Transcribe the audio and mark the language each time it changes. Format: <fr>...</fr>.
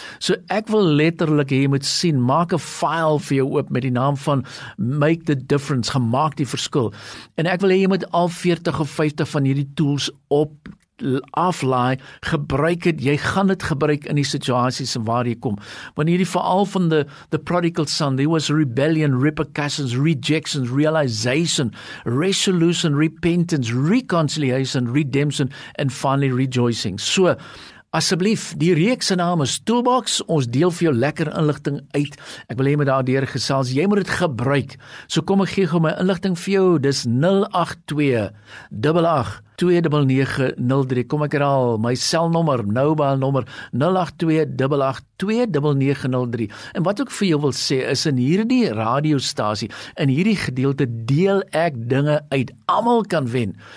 <af>So ek wil letterlik, jy moet sien, maak 'n file vir jou oop met die naam van Make the Difference, gemaak die verskil. En ek wil hê jy moet al 40 of 50 van hierdie tools op aflaai, gebruik het, jy gaan dit gebruik in die situaties waar jy kom. Want hierdie verhaal van</af> <en>the prodigal son, there was rebellion, repercussions, rejections, realization, resolution, repentance, reconciliation, redemption, and finally rejoicing.</en> <af>So, asseblief, die reekse naam is Toolbox, ons deel vir jou lekker inligting uit, ek wil hê met daardeur gesels, jy moet dit gebruik, so kom ek gee gou my inligting vir jou, dis 082-88-29-03, kom ek herhaal, my selnommer, noubaal nommer, 082-88-29-03, en wat ek vir jou wil sê, is in hierdie radiostasie, in hierdie gedeelte, deel ek dinge uit, almal kan wen,</af>